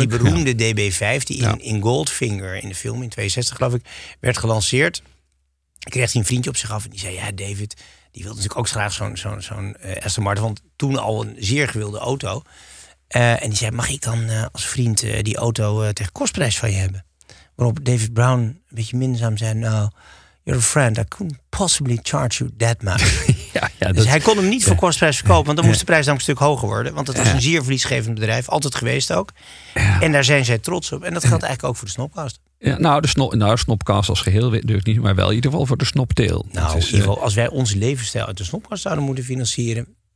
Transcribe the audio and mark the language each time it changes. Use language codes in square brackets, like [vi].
[nl] Ja, die beroemde DB5 die in Goldfinger in de film in 62 geloof ik werd gelanceerd. Kreeg hij een vriendje op zich af en die zei, ja David... Die wilde natuurlijk ook graag zo'n Aston Martin. Want toen al een zeer gewilde auto. En die zei, mag ik dan als vriend die auto tegen kostprijs van je hebben? Waarop David Brown een beetje minzaam zei... [en] No, you're a friend. I couldn't possibly charge you that much. [nl] Dus hij kon hem niet voor kostprijs verkopen. Want dan moest de prijs namelijk een stuk hoger worden. Want het was een zeer verliesgevend bedrijf. Altijd geweest ook. En daar zijn zij trots op. En dat geldt eigenlijk ook voor de Snopcast. Ja, nou, de Snopcast als geheel durft niet, maar wel in ieder geval voor de snopteel. Nou, is, Ivo, als wij onze levensstijl uit de Snopcast zouden moeten financieren...